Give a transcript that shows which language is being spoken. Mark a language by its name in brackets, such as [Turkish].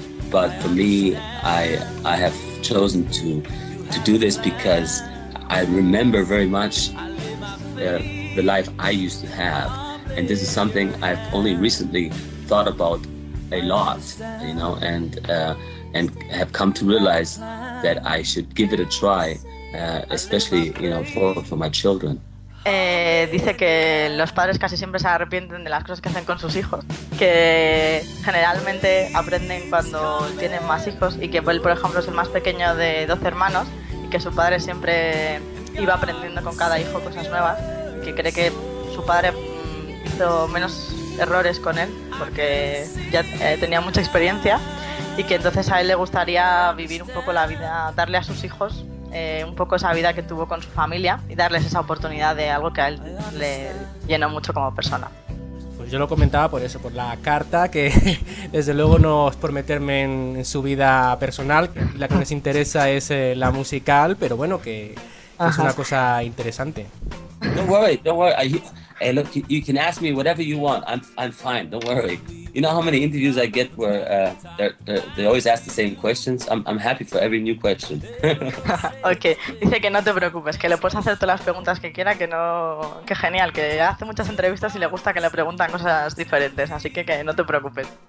[English] But for me, I have chosen to do this because I remember very much the life I used to have. And this is something I've only recently thought about a lot, you know, and have come to realize that I should give it a try, especially, you know, for my children. [Spanish] Dice que los padres casi siempre se arrepienten de las cosas que hacen con sus hijos, que generalmente aprenden cuando tienen más hijos, y que él, por ejemplo, es el más pequeño de 12 hermanos, y que su padre siempre iba aprendiendo con cada hijo cosas nuevas, y que cree que su padre hizo menos errores con él porque ya tenía mucha experiencia, y que entonces a él le gustaría vivir un poco la vida, darle a sus hijos un poco esa vida que tuvo con su familia y darles esa oportunidad de algo que a él le llenó mucho como persona. Pues yo lo comentaba por eso, por la carta, que desde luego no es por meterme en su vida personal, la que les interesa es la musical, pero bueno, que es una cosa interesante. [English] Don't worry. Hey, look, you can ask me whatever you want. I'm fine. Don't worry. You know how many interviews I get where they always ask the same questions. I'm happy for every new question. Okay. [Spanish] Dice que no te preocupes, que le puedes hacer todas las preguntas que quiera, que genial, que hace muchas entrevistas y le gusta que le preguntan cosas diferentes, así que no te preocupes.